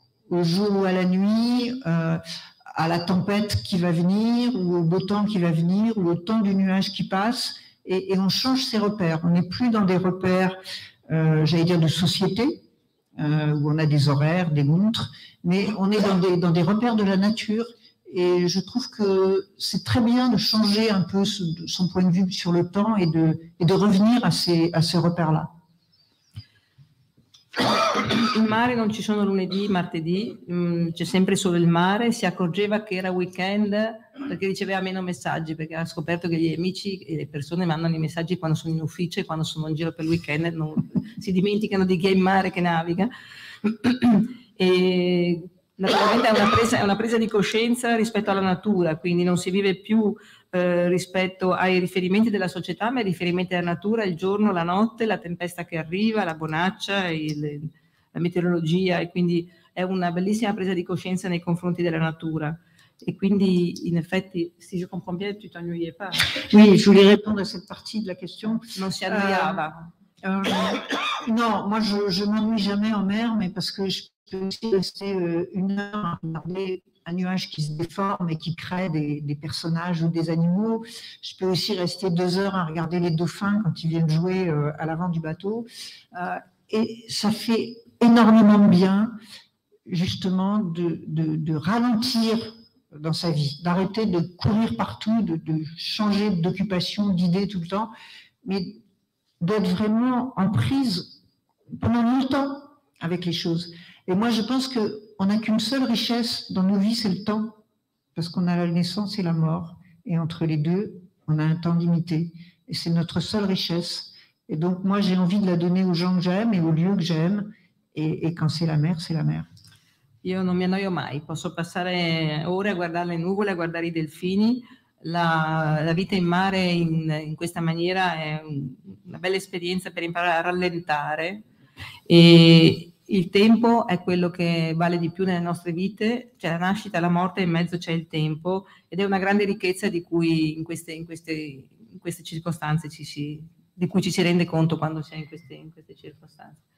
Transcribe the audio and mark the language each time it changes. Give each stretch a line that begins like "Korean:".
French: Au jour ou à la nuit, à la tempête qui va venir, ou au beau temps qui va venir, ou au temps du nuage qui passe, et on change ses repères. On n'est plus dans des repères, j'allais dire, de société, où on a des horaires, des montres, mais on est dans des repères de la nature, et je trouve que c'est très bien de changer un peu son point de vue sur le temps et de revenir à ces repères-là.
Italian: Il mare non ci sono lunedì, martedì, c'è sempre solo il mare. Si accorgeva che era weekend perché riceveva meno messaggi, perché ha scoperto che gli amici e le persone mandano i messaggi quando sono in ufficio e quando sono in giro per il weekend, non, si dimenticano di chi è in mare che naviga. E naturalmente è una presa di coscienza rispetto alla natura, quindi non si vive più rispetto ai riferimenti della società, ma ai riferimenti alla natura, il giorno, la notte, la tempesta che arriva, la bonaccia, la meteorologia, e quindi è una bellissima presa di coscienza nei confronti della natura. E quindi, in effetti, se io comprendo bene,
French: tu t'ennuyais pas. Oui, je voulais répondre à cette partie de la question.
Italian: Non, si annoyava.
French: Non, moi je m'ennuie jamais en mer, mais parce que je peux aussi rester une heure à regarder un nuage qui se déforme et qui crée des personnages ou des animaux. Je peux aussi rester deux heures à regarder les dauphins quand ils viennent jouer à l'avant du bateau. Et ça fait énormément de bien, justement, de ralentir dans sa vie, d'arrêter de courir partout, de changer d'occupation, d'idée tout le temps, mais d'être vraiment en prise pendant longtemps avec les choses. Et moi, je pense qu'on n'a qu'une seule richesse dans nos vies, c'est le temps, parce qu'on a la naissance et la mort, et entre les deux, on a un temps limité, et c'est notre seule richesse. Et donc, moi, j'ai envie de la donner aux gens que j'aime et aux lieux que j'aime,
Italian: e quando c'è la mer,
French: c'è la mer.
Italian: Io non mi annoio mai, posso passare ore a guardare le nuvole, a guardare i delfini. La vita in mare in questa maniera è una bella esperienza per imparare a rallentare. E il tempo è quello che vale di più nelle nostre vite, c'è la nascita, la morte, in mezzo c'è il tempo, ed è una grande ricchezza di cui in queste circostanze ci si rende conto quando si è in queste circostanze.